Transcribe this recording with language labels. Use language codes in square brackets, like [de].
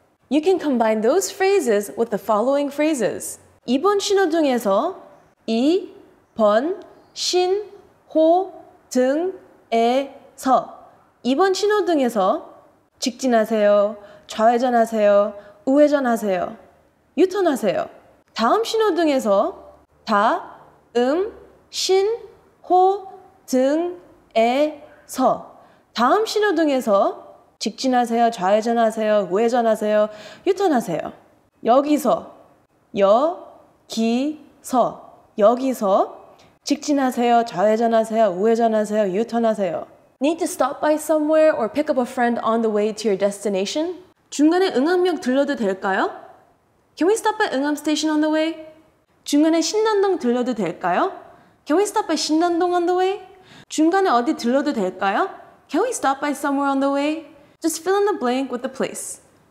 [en] You can combine those phrases with the following phrases. [ko] 2번 신호등에서 2번 신호등에서 2번 신호등에서 직진하세요. 좌회전하세요. 우회전하세요. U-turn 하세요. 다음 신호등에서 다음 신호등에서 다음 신호등에서 직진하세요, 좌회전하세요, 우회전하세요, 유턴하세요. 여기서 여기서 여기서 직진하세요, 좌회전하세요, 우회전하세요, 유턴하세요. [en] Need to stop by somewhere or pick up a friend on the way to your destination? [ko] 중간에 응암역 들러도 될까요? [en] Can we stop at 응암 station on the way? [ko] 중간에 신난동 들러도 될까요? [en] Can we stop by 신난동 on the way? [ko] 중간에 어디 들러도 될까요? [en] Can we stop by somewhere on the way? Just fill in the blank with the place.